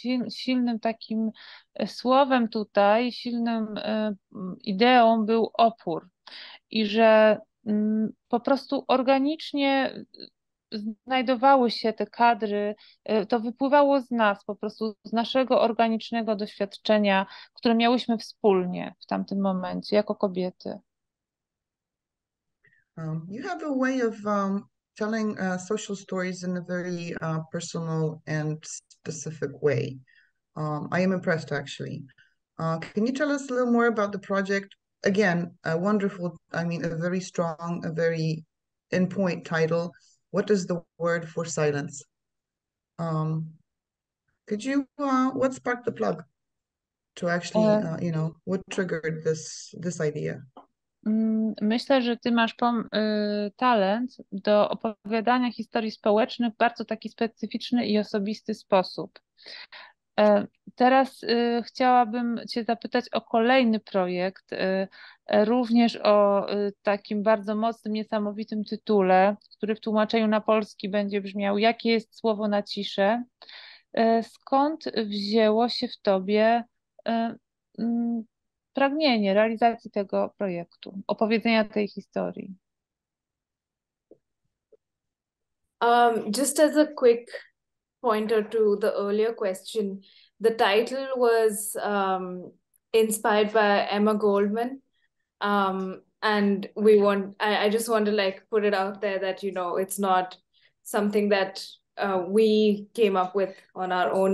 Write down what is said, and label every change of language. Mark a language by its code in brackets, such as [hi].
[pl] silnym takim słowem tutaj, silnym ideą był opór i że po prostu organicznie znajdowały się te kadry, to wypływało z nas, po prostu z naszego organicznego doświadczenia, które miałyśmy wspólnie w tamtym momencie, jako kobiety. [en] You have a way of telling social stories in a very personal and specific way. I am impressed, actually. Can you tell us a little more about the project? Again, a wonderful, I mean, a very strong, a very in point title. What is the word for silence? Could you, what sparked the plug to actually, you know, what triggered this idea? [pl] Myślę, że ty masz talent do opowiadania historii społecznych w bardzo taki specyficzny i osobisty sposób. Teraz chciałabym Cię zapytać o kolejny projekt, również o takim bardzo mocnym, niesamowitym tytule, który w tłumaczeniu na polski będzie brzmiał: Jakie jest słowo na ciszę? Skąd wzięło się w Tobie pragnienie realizacji tego projektu, opowiedzenia tej historii? [en] Just as a quick pointer to the earlier question, the title was inspired by Emma Goldman, and we want I just want to like put it out there that you know it's not something that we came up with on our own.